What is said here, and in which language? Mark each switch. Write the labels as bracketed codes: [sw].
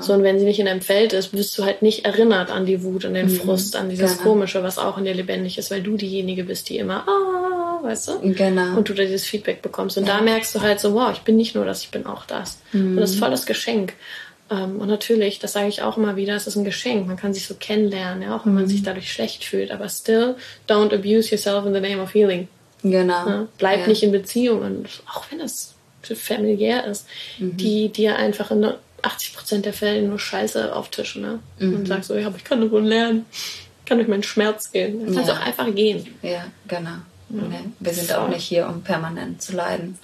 [de] So, und wenn sie nicht in deinem Feld ist, wirst du halt nicht erinnert an die Wut, an den, mhm, Frust, an dieses, genau, Komische, was auch in dir lebendig ist, weil du diejenige bist, die immer, weißt du? Genau. Und du da dieses Feedback bekommst. Und, ja, da merkst du halt so, wow, ich bin nicht nur das, ich bin auch das. Mhm. Und das ist voll das Geschenk. Und natürlich, das sage ich auch immer wieder, es ist ein Geschenk. Man kann sich so kennenlernen, ja, auch wenn, mhm, man sich dadurch schlecht fühlt. [en] Aber still, don't abuse yourself in the name of healing. [de] Genau. Ja, bleib, ja, nicht in Beziehung. Und auch wenn es familiär ist, mhm, die dir einfach in 80% der Fälle nur Scheiße auftischen. Ne? Mhm. Und sagst so, ja, aber ich kann davon lernen. Ich kann durch meinen Schmerz gehen. Dann kannst du, ja, auch einfach gehen. Ja, genau. Ja. Nee, wir sind, voll, auch nicht hier, um permanent zu leiden.